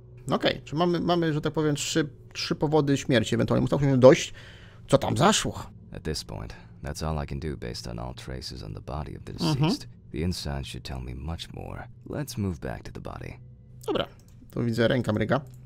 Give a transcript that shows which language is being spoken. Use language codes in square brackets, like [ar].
[pl] Okej, czy mamy, że tak powiem, trzy powody śmierci. Ewentualnie musiał się dojść, co tam zaszło. [en] At this point, that's all I can do based on all traces on the body of the deceased. The inside should tell me much more. Let's move back to the body. [pl] Dobra, tu widzę ręka mryga.